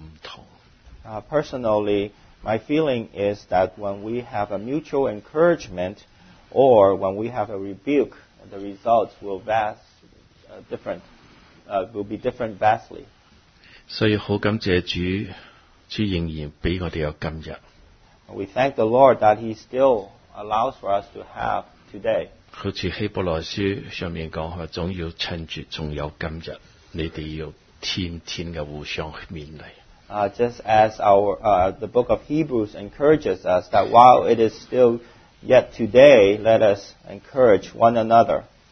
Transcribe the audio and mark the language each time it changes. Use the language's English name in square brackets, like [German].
[Cantonese] 其實在我自己個人感受中,即係我覺得一個勸勉,一個互相的勸勉同一個指責,佢以後出來的效果係好不同。Personally, [English] my feeling is that when we have a mutual encouragement or when we have a rebuke, the results will be different vastly. [Cantonese] 所以好感謝主, 主仍然俾我哋有今日。 [English] We thank the Lord that He still allows for us to have today. [Cantonese] 好似希伯来书上面讲话，总要趁住仲有今日，你哋要天天嘅互相勉励。 [English] Just as the book of Hebrews encourages us that while it is still yet today, let us encourage one another.